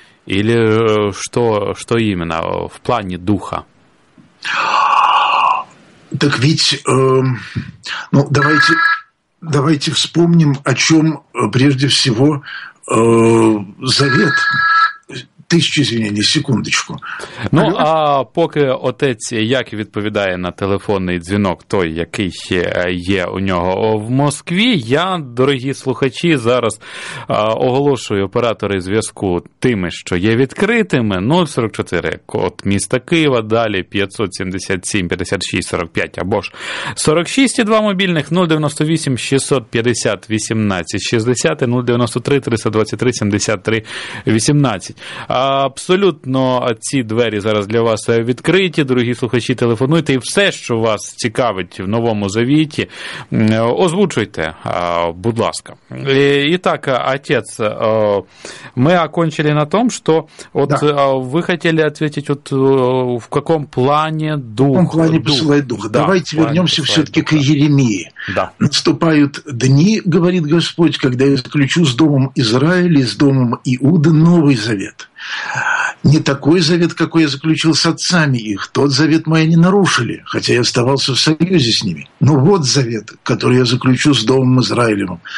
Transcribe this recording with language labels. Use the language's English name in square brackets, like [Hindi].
[Russian] Или что именно в плане Духа? Так ведь, ну, давайте вспомним, о чем прежде всего Завет. Тисячу извинений, секундочку. [Ukrainian] Ну, алло? А поки отець як відповідає на телефонний дзвінок, той, який ще є у нього в Москві, я, дорогі слухачі, зараз оголошую оператори зв'язку тими, що є відкритими. 044, код міста Києва, далі 577-56-45, або ж 46 і 2 мобільних, 098-650-18-60, 093-323-73-18. Абсолютно ці двері зараз для вас відкриті, дорогі слухачі, телефонуйте, і все, що вас цікавить в Новому Завіті, озвучуйте, будь ласка. І так, отець, ми окончили на тому, що от да. Ви хотіли відповісти, от в якому плані дух. В якому плані посилає дух. [Russian] Да, давайте вернемся все-таки к Єремії. Да. Наступают дни, говорит Господь, когда я заключу с домом Израиля и с домом Иуды новый завет. Не такой завет, какой я заключил с отцами их. Тот завет мой они нарушили, хотя я оставался в союзе с ними. Но вот завет, который я заключу с домом Израилевым.